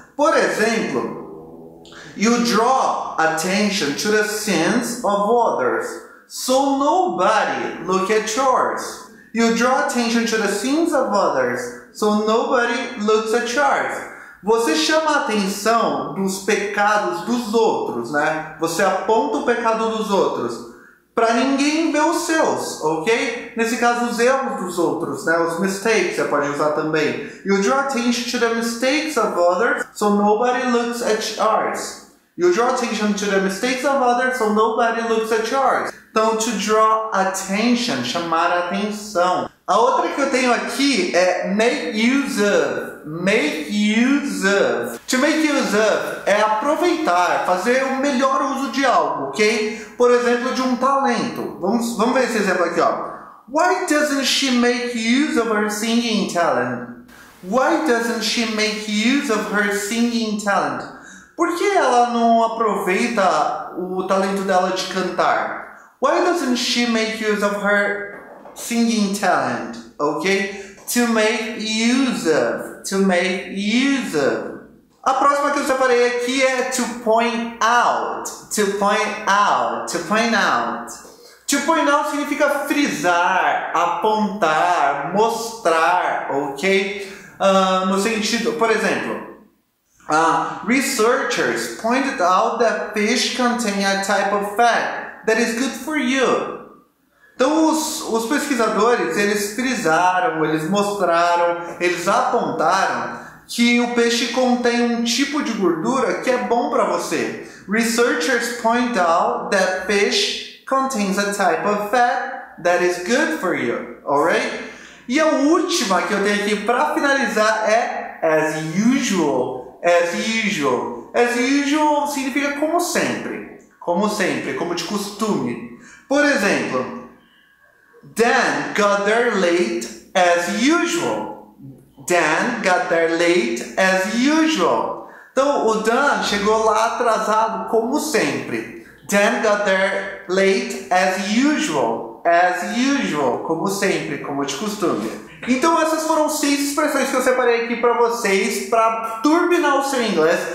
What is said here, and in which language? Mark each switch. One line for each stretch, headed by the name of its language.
Portuguese: Por exemplo,
English: you draw attention to the sins of others, so nobody look at yours. You draw attention to the sins of others, so nobody looks at yours.
Portuguese: Você chama a atenção dos pecados dos outros, né? Você aponta o pecado dos outros para ninguém ver os seus, ok? Nesse caso, os erros dos outros, né? Os mistakes, você pode usar também.
English: You draw attention to the mistakes of others, so nobody looks at yours. You draw attention to the mistakes of others, so nobody looks at yours.
Portuguese: Então,
English: to draw attention,
Portuguese: chamar a atenção. A outra que eu tenho aqui é
English: make use of. Make use of. To make use of
Portuguese: é aproveitar, fazer o melhor uso de algo, ok? Por exemplo, de um talento. Vamos ver esse exemplo aqui, ó.
English: Why doesn't she make use of her singing talent? Why doesn't she make use of her singing talent?
Portuguese: Por que ela não aproveita o talento dela de cantar?
English: Why doesn't she make use of her singing talent, ok? To make use of, to make use of.
Portuguese: A próxima que eu separei aqui é
English: to point out, to point out, to point out. To point out
Portuguese: significa frisar, apontar, mostrar, ok? No sentido, por exemplo,
English: researchers pointed out that fish contain a type of fat that is good for you.
Portuguese: Então, os pesquisadores, eles frisaram, eles mostraram, eles apontaram que o peixe contém um tipo de gordura que é bom para você.
English: Researchers point out that fish contains a type of fat that is good for you, alright?
Portuguese: E a última que eu tenho aqui para finalizar é
English: as usual, as usual. As usual
Portuguese: significa como sempre, como sempre, como de costume. Por exemplo,
English: Dan got there late as usual. Dan got there late as usual.
Portuguese: Então, o Dan chegou lá atrasado como sempre.
English: Dan got there late as usual. As usual.
Portuguese: Como sempre, como de costume. Então essas foram 6 expressões que eu separei aqui para vocês para turbinar o seu inglês.